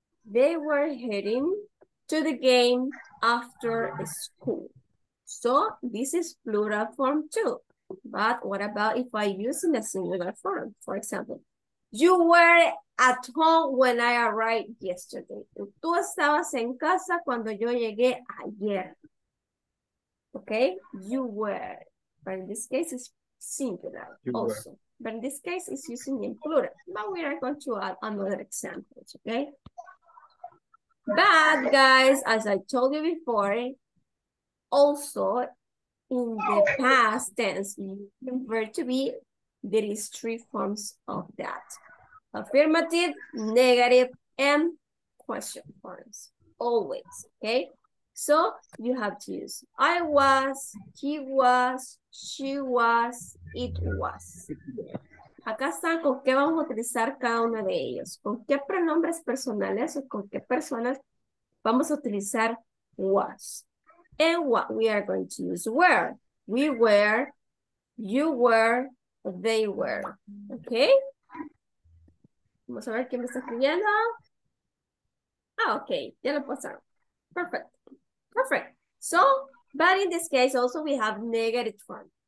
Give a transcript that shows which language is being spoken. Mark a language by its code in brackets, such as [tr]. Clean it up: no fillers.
[en] They were heading to the game after school. So this is plural form too. But what about if I use in a singular form? For example, you were at home when I arrived yesterday. [es] Tú estabas en casa cuando yo llegué ayer. [en] Okay, you were. But in this case, it's singular you also. Were. But in this case, it's using in plural. But we are going to add another example, okay? But guys, as I told you before, also in the past tense, you can verb to be, there is three forms of that. Affirmative, negative, and question forms, always, okay? So you have to use I was, he was, she was, it was. [es] Acá están con qué vamos a utilizar cada uno de ellos. ¿Con qué pronombres personales o con qué personas vamos a utilizar was? [en] And what we are going to use were. We were, you were, they were. Okay? [es] Vamos a ver quién me está escribiendo. Ah, okay. Ya lo pasaron. [en] Perfect. Perfect. So, but in this case also we have negative form.